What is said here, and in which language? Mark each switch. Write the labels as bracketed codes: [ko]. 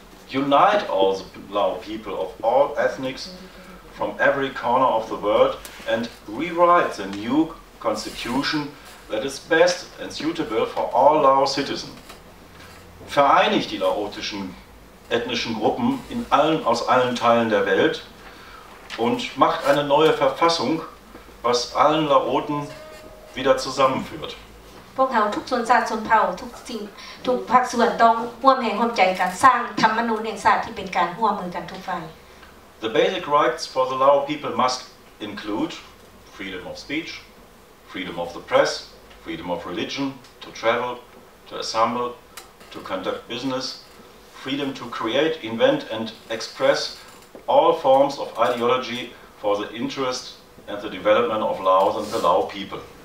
[en] Unite all the Lao people of all ethnics from every corner of the world and rewrite the new constitution that is best and suitable for all Lao citizens. [de] Vereinigt die laotischen ethnischen Gruppen aus allen Teilen der Welt und macht eine neue Verfassung, was allen Laoten wieder zusammenführt. [en] The basic rights for the Lao people must include freedom of speech, freedom of the press, freedom of religion, to travel, to assemble, to conduct business, freedom to create, invent and express all forms of ideology for the interest and the development of Laos and the Lao people.